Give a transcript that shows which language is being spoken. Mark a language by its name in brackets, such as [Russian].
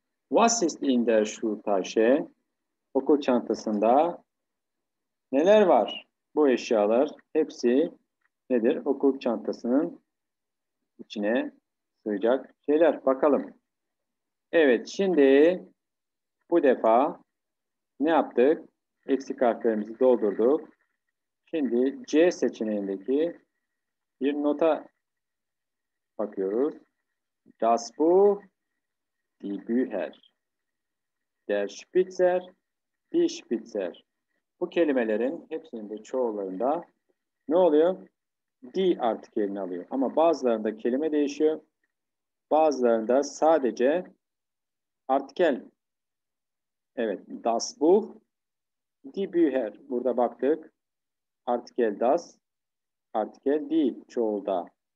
[German] Was ist in der Schultasche? [Turkish] Okul çantasında neler var? Bu eşyalar hepsi nedir? Okul çantasının içine sığacak şeyler. Bakalım. Evet, şimdi bu defa ne yaptık? Eksik harflerimizi doldurduk. Şimdi C seçeneğindeki bir nota bakıyoruz. [German] Das Buch, die Bücher. Der Spitzer, die Spitzer. [Turkish] Bu kelimelerin hepsinin de çoğularında ne oluyor? Die artikelini alıyor. Ama bazılarında kelime değişiyor. Bazılarında sadece artikel. Evet, [German] das Buch, die Bücher. [Turkish] Burada baktık. Artikel das, artikel die çoğulda.